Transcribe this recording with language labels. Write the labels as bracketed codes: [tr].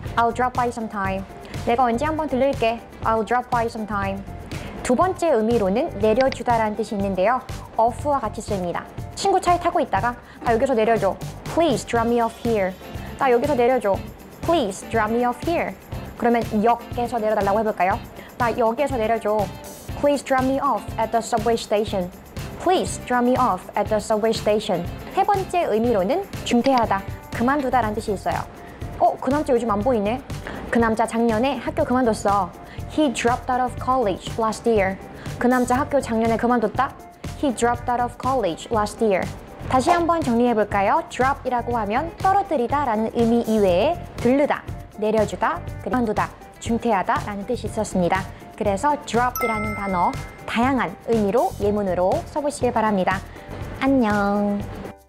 [en] I'll drop by sometime. [ko] 내가 언제 한번 들를게. [en] I'll drop by sometime. [ko] 두 번째 의미로는 내려주다 라는 뜻이 있는데요. off와 같이 씁니다. 친구 차에 타고 있다가 나 여기서 내려줘. [en] Please drop me off here. [ko] 나 여기서 내려줘. [en] Please drop me off here. [ko] 그러면 역에서 내려달라고 해볼까요? 나 역에서 내려줘. [en] Please drop me off at the subway station. Please drop me off at the subway station. [ko] 세 번째 의미로는 중퇴하다, 그만두다 라는 뜻이 있어요. 어? 그 남자 요즘 안 보이네. 그 남자 작년에 학교 그만뒀어. [en] He dropped out of college last year. [ko] 그 남자 학교 작년에 그만뒀다? [en] He dropped out of college last year. [ko] 다시 한번 정리해볼까요? drop이라고 하면 떨어뜨리다 라는 의미 이외에 들르다, 내려주다, 그만두다, 중퇴하다 라는 뜻이 있었습니다. 그래서 drop이라는 단어 다양한 의미로 예문으로 써보시길 바랍니다. 안녕!